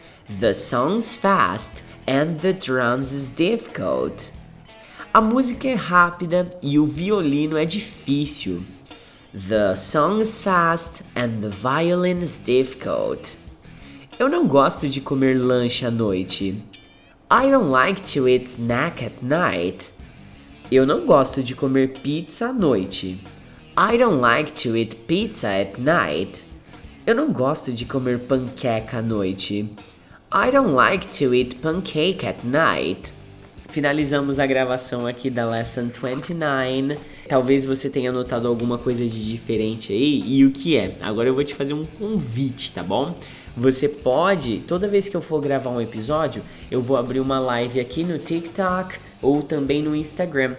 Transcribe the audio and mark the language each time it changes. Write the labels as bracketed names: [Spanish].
[English] The song's fast and the drums is difficult. [Portuguese] A música é rápida e o violino é difícil. [English] The song is fast and the violin is difficult. [Portuguese] Eu não gosto de comer lanche à noite. [English] I don't like to eat snack at night. [Portuguese] Eu não gosto de comer pizza à noite. [English] I don't like to eat pizza at night. [Portuguese] Eu não gosto de comer panqueca à noite. [English] I don't like to eat pancake at night. [Portuguese] Finalizamos a gravação aqui da Lesson 29. Talvez você tenha notado alguma coisa de diferente aí. E o que é? Agora eu vou te fazer um convite, tá bom? Você pode, toda vez que eu for gravar um episódio, eu vou abrir uma live aqui no TikTok ou também no Instagram.